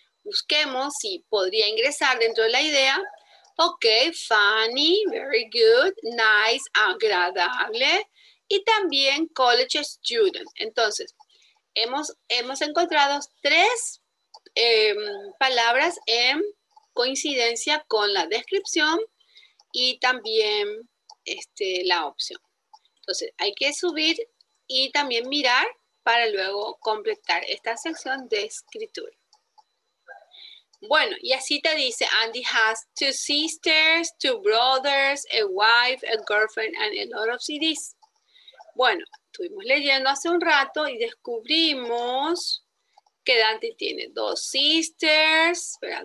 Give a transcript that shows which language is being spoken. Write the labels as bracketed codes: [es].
[es] Busquemos si podría ingresar dentro de la idea. [en] Ok, funny, very good, nice, agradable. [es] Y también college student. Entonces, hemos encontrado tres palabras en coincidencia con la descripción y también la opción. Entonces, hay que subir y también mirar para luego completar esta sección de escritura. Bueno, y así te dice, [en] Andy has two sisters, two brothers, a wife, a girlfriend, and a lot of CDs. [es] Bueno, estuvimos leyendo hace un rato y descubrimos que Dante tiene dos sisters, ¿verdad?